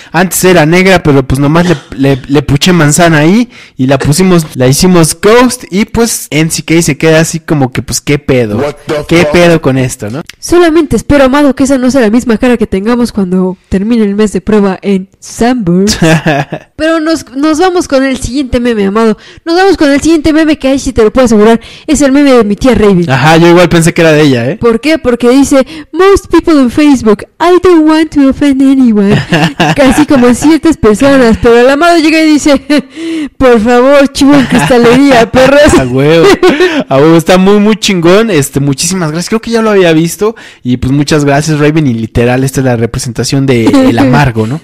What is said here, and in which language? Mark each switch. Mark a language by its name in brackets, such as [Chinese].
[Spanish] Antes era negra, pero pues nomás le puché manzana ahí y la pusimos, la hicimos Ghost, y pues NCK se queda así como que, pues, ¿qué pedo con esto, no? Solamente espero, Amado, que esa no sea la misma cara que tengamos cuando termine el mes de prueba en Sambors. Pero nos vamos con el siguiente meme, Amado. Nos vamos con el siguiente meme que ahí sí te lo puedo asegurar, es el meme de mi tía Raven. Ajá, yo igual pensé que era de ella, ¿eh? ¿Por qué? Porque dice, [English] most people on Facebook, I don't want to offend anyone. [Spanish] Casi como ciertas personas, pero el Amado llega y dice, por favor. Por favor, chivo en cristalería, perros. A huevo, está muy, muy chingón. Muchísimas gracias. Creo que ya lo había visto. Y pues muchas gracias, Raven. Y literal, esta es la representación de el amargo, ¿no?